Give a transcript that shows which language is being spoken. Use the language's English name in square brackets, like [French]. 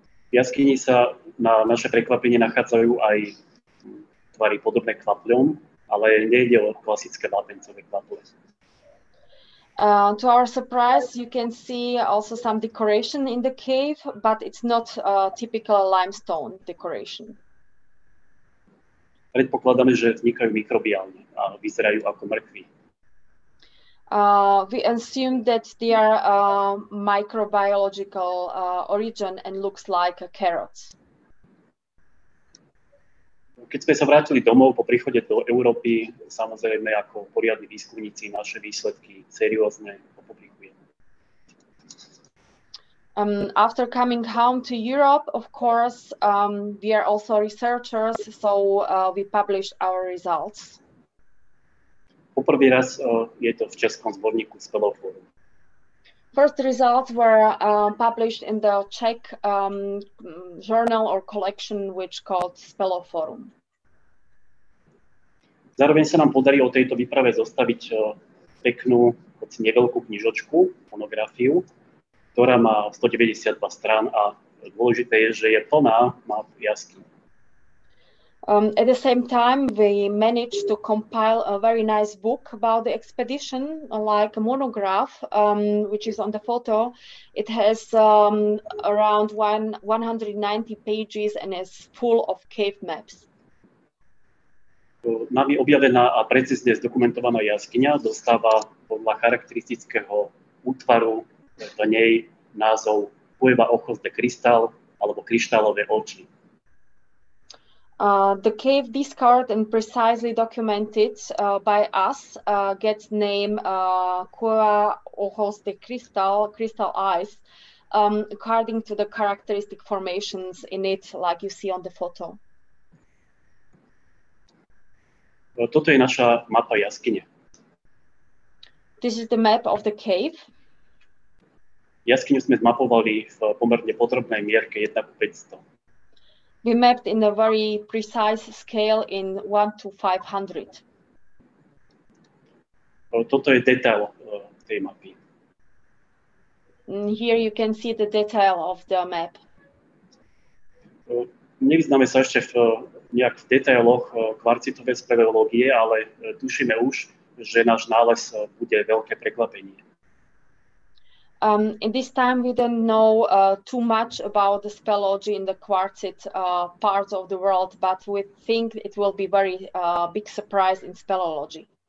[Slovak] V jaskyni sa na naše prekvapenie nachádzajú aj tvary podobné kvapľom, ale nejde o klasické vápencové kvapľe. [English] To our surprise, you can see also some decoration in the cave, but it's not a typical limestone decoration. [Slovak] Predpokladáme, že vznikajú mikrobiálne a vyzerajú ako mŕtvi. [English] We assume that they are microbiological origin and looks like a carrot. [Slovak] Keď sme sa vrátili domov po príchode do Európy, samozrejme ako poriadni výskumníci naše výsledky seriózne opublikujeme. [English] After coming home to Europe, of course, we are also researchers, so we publish our results. [Slovak] Po prvý raz je to v českom zborníku speleofórum. [English] First results were published in the Czech journal or collection which called speleofórum. [Slovak] Zároveň sa nám podarí o tejto výprave zostaviť peknú, hoci neveľkú knižočku, monografiu, ktorá má 192 strán a dôležité je, že je plná map jaskyň. [English] At the same time, we managed to compile a very nice book about the expedition, like a monograph, which is on the photo. It has around 190 pages and is full of cave maps. [Slovak] Nami objavená a precízne zdokumentovaná jaskyňa dostáva podľa charakteristického útvaru do nej názov Cueva Ojos de Cristal alebo Kryštálové oči. [English] The cave discovered and precisely documented by us gets name Cueva Ojos de Cristal, Crystal Eyes, according to the characteristic formations in it, like you see on the photo. [Slovak] Toto je naša mapa jaskyne. [English] This is the map of the cave. [Slovak] Jaskyňu sme zmapovali v pomerne podrobnej mierke 1:500. [English] We mapped in a very precise scale in 1:500. [Slovak] Toto je detail tej mapy. [English] Here you can see the detail of the map. [Slovak] Nevyznáme sa ešte nejak v detailoch kvarcitovej speleologie, ale tušíme už, že náš nález bude veľké prekvapenie. [English] In this time we don't know too much about the speleology in the quartzite parts of the world, but we think it will be very big surprise in speleology.